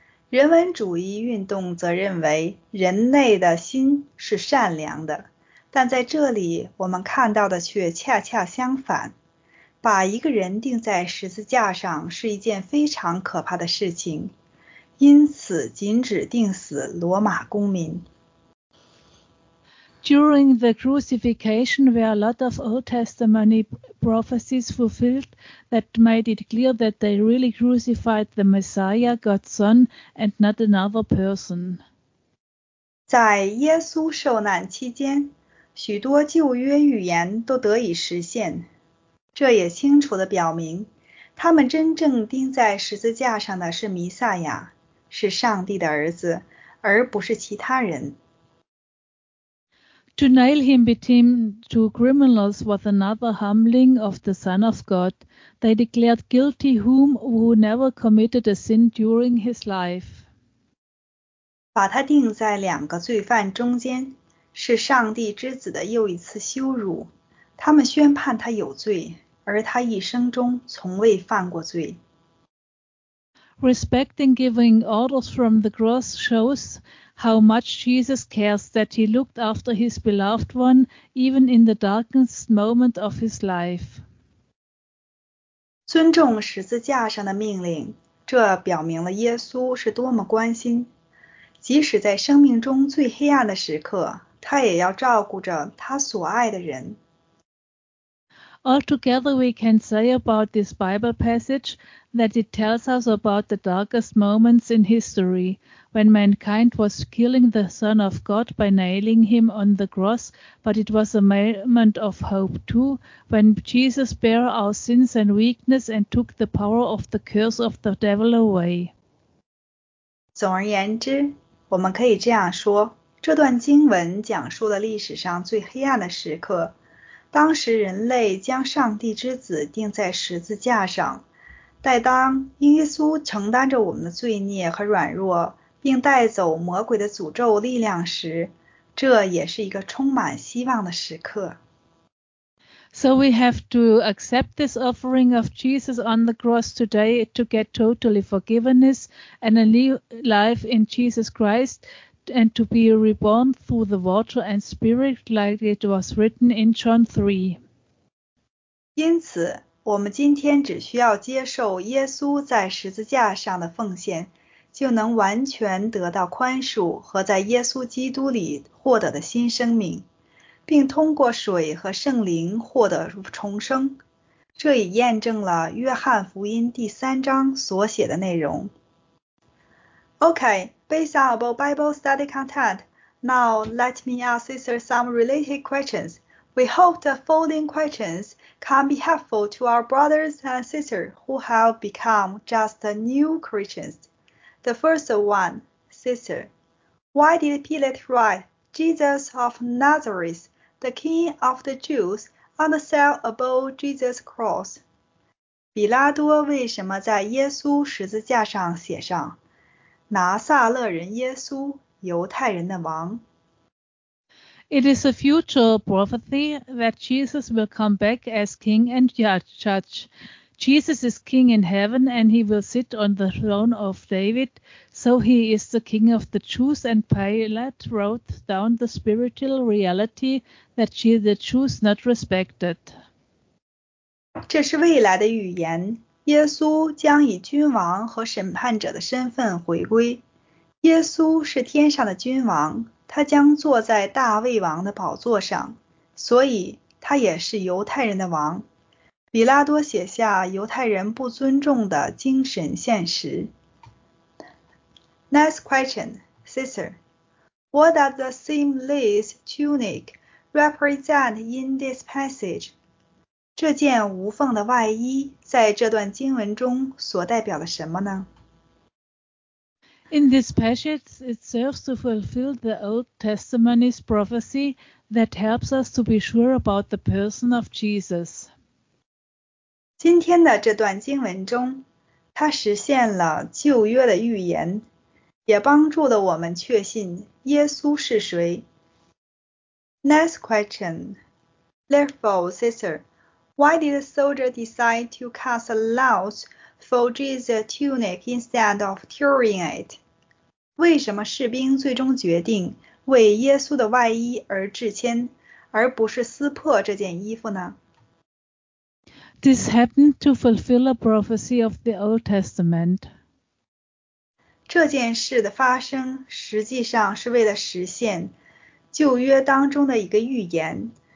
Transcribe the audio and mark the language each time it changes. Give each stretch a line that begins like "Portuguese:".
Chinese: 人文主义运动则认为人类的心是善良的，但在这里我们看到的却恰恰相反。把一个人钉在十字架上是一件非常可怕的事情，因此禁止钉死罗马公民。
English: During the crucifixion were a lot of Old Testament prophecies fulfilled that made it clear that they really crucified the Messiah, God's Son, and not another person.
Chinese: 在耶稣受难期间，许多旧约预言都得以实现。这也清楚地表明，他们真正钉在十字架上的是弥赛亚，是上帝的儿子，而不是其他人。
English: To nail him between two criminals was another humbling of the Son of God. They declared guilty whom who never committed a sin during his life.
Chinese: 把他钉在两个罪犯中间，是上帝之子的又一次羞辱。他们宣判他有罪，而他一生中从未犯过罪。
English: Respecting giving orders from the cross shows how much Jesus cares that he looked after his beloved one, even in the darkest moment of his life.
Chinese: 尊重十字架上的命令，这表明了耶稣是多么关心。即使在生命中最黑暗的时刻，他也要照顾着他所爱的人。
English: Altogether, we can say about this Bible passage that it tells us about the darkest moments in history, when mankind was killing the Son of God by nailing him on the cross, but it was a moment of hope too, when Jesus bare our sins and weakness and took the power of the curse of the devil away.
Chinese: 总而言之，我们可以这样说，这段经文讲述了历史上最黑暗的时刻，当时人类将上帝之子钉在十字架上，但当耶稣承担着我们的罪孽和软弱，并带走魔鬼的诅咒力量时，这也是一个充满希望的时刻。
English: So we have to accept this offering of Jesus on the cross today to get totally forgiveness and a new life in Jesus Christ and to be reborn through the water and spirit like it was written in John 3.
Chinese: 因此，我们今天只需要接受耶稣在十字架上的奉献，就能完全得到宽恕和在耶稣基督里获得的新生命。并通过水和圣灵获得重生，这也验证了约翰福音第三章所写的内容。
English: Okay, based on our Bible study content, now let me ask sister some related questions. We hope the following questions can be helpful to our brothers and sisters who have become just new Christians. The first one, sister, why did Pilate write Jesus of Nazareth? The King of the Jews on the cell above Jesus' cross.
Chinese: 比拉多为什么在耶稣十字架上写上拿撒勒人耶稣，犹太人的王？
English: It is a future prophecy that Jesus will come back as King and Judge. Jesus is King in heaven and he will sit on the throne of David, so he is the King of the Jews and Pilate wrote down the spiritual reality that the Jews not respected.
Chinese: 这是未来的预言，耶稣将以君王和审判者的身份回归。耶稣是天上的君王，他将坐在大卫王的宝座上，所以他也是犹太人的王。比拉多写下犹太人不尊重的精神现实。
English: Next question, sister. What does the seamless tunic represent in this passage?
Chinese: 这件无缝的外衣在这段经文中所代表了什么呢？
English: In this passage, it serves to fulfill the Old Testament's prophecy that helps us to be sure about the person of Jesus.
Chinese: 今天的这段经文中，它实现了旧约的预言，也帮助了我们确信耶稣是谁。
English: Next question. Therefore, sister, why did the soldier decide to cast lots for Jesus' tunic instead of tearing it?
Chinese: 为什么士兵最终决定为耶稣的外衣而掷签，而不是撕破这件衣服呢？
English: This happened to fulfill a prophecy of the Old Testament.
Chinese: 这件事的发生实际上是为了实现旧约当中的一个预言。